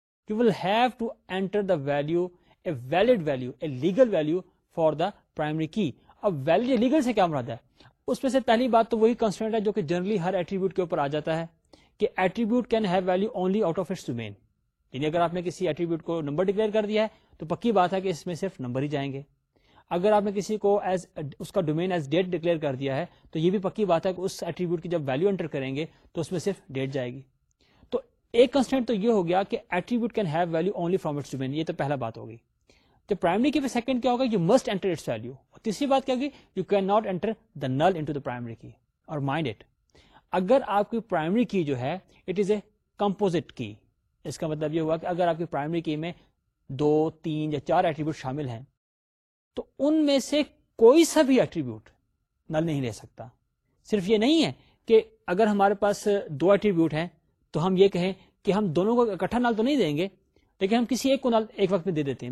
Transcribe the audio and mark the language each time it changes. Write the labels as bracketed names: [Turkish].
[English] You will have to enter the value, a valid value, a legal value for the primary key. [Urdu] اب valid legal سے کیا مراد ہے؟ اس میں سے پہلی بات تو وہی کنسٹرینٹ ہے جو کہ جنرلی ہر ایٹریبیوٹ کے اوپر آ جاتا ہے, attribute can have value only out of its domain. یعنی اگر آپ نے کسی ایٹریبیوٹ کو نمبر ڈکلیئر کر دیا ہے تو پکی بات ہے کہ اس میں صرف نمبر ہی جائیں گے. اگر آپ نے کسی کو ایز اس کا ڈومین ایز ڈیٹ ڈکلیئر کر دیا ہے تو یہ بھی پکی بات ہے کہ اس ایٹریبیوٹ کی جب ویلو انٹر کریں گے تو اس میں صرف ڈیٹ جائے گی. تو ایک کنسٹنٹ تو یہ ہو گیا کہ attribute can have value only from its domain, یہ تو پہلا بات ہوگی. تو پرائمری کی پہ سیکنڈ کیا ہوگا؟ You must inter its value. تیسری بات کیا ہوگی؟ You can not enter the null into the primary key. اور مائنڈ اٹ, اگر آپ کی پرائمری کی جو ہے it is a composite key, اس کا مطلب یہ ہوا کہ اگر آپ کی پرائمری کی میں دو تین یا چار ایٹریبیوٹ شامل ہیں تو ان میں سے کوئی سا بھی ایٹریبیوٹ نل نہیں لے سکتا. صرف یہ نہیں ہے کہ اگر ہمارے پاس دو ایٹریبیوٹ ہیں تو ہم یہ کہیں کہ ہم دونوں کو اکٹھا نل تو نہیں دیں گے, لیکن ہم کسی ایک کو نل ایک وقت میں دے دیتے ہیں.